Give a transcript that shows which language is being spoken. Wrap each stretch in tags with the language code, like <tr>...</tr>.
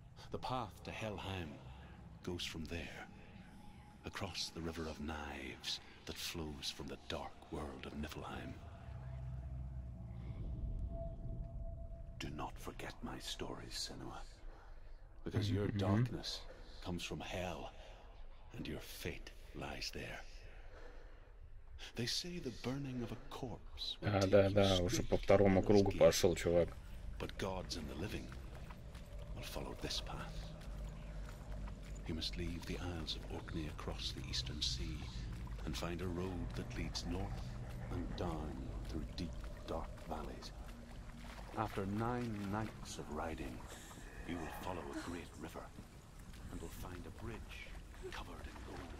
<en>The path to Helheim goes from there, across the river of knives that flows from the dark world of Niflheim. Do not forget my story, Senua, because your darkness comes from hell and your fate lies there. They say the burning of a corpse.</en> <ru>А, да, да, уже по второму кругу пошел, чувак.</ru> <en>But gods and the living will follow this path. You must leave the Isles of Orkney across the Eastern Sea and find a road that leads north and down through deep, dark valleys. After 9 nights of riding, you will follow a great river and will find a bridge covered in gold.</en>